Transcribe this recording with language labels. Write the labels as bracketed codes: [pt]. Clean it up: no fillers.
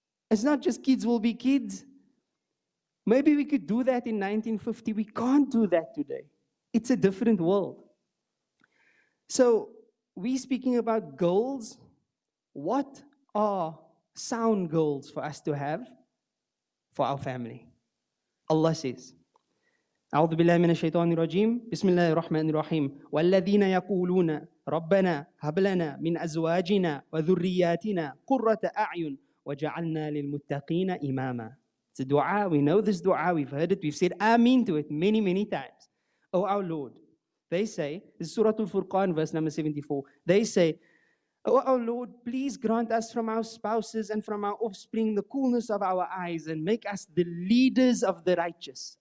[en] It's not just kids will be kids. Maybe we could do that in 1950. We can't do that today. It's a different world. So we're speaking about goals. What are sound goals for us to have for our family? Allah says, [ar] أعوذ بالله من الشيطان الرجيم بسم الله الرحمن الرحيم والذين يقولون ربنا هب لنا من أزواجنا وذرياتنا قرة أعين وجعلنا للمتقين إماما. [en] It's a dua, we know this dua, we've heard it, we've said ameen to it many, many times. Oh, our Lord, they say, this is Surah Al-Furqan, verse number 74, they say, oh, our Lord, please grant us from our spouses and from our offspring the coolness of our eyes and make us the leaders of the righteous.